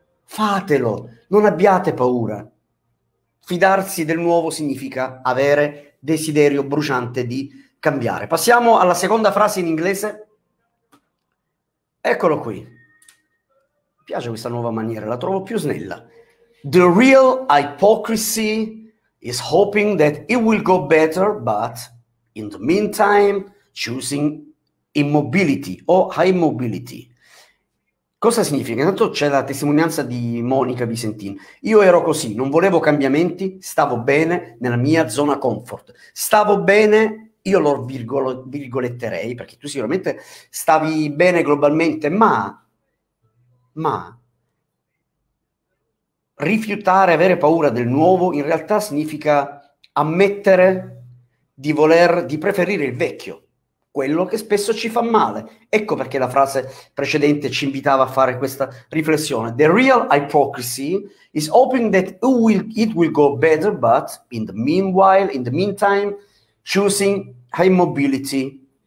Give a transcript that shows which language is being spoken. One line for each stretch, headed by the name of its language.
Italian: Fatelo, non abbiate paura. Fidarsi del nuovo significa avere desiderio bruciante di cambiare. Passiamo alla seconda frase in inglese. Eccolo qui. Mi piace questa nuova maniera, la trovo più snella.
English: The real hypocrisy is hoping that it will go better, but in the meantime, choosing immobility o high mobility.
Italian: Cosa significa? Intanto c'è la testimonianza di Monica Visentin. Io ero così, non volevo cambiamenti, stavo bene nella mia zona comfort. Stavo bene, io lo virgoletterei, perché tu sicuramente stavi bene globalmente, ma rifiutare, avere paura del nuovo, in realtà significa ammettere di voler, di preferire il vecchio, quello che spesso ci fa male. Ecco perché la frase precedente ci invitava a fare questa riflessione.
English: The real hypocrisy is hoping that it will go better, but in the meanwhile, in the meantime, choosing high mobility.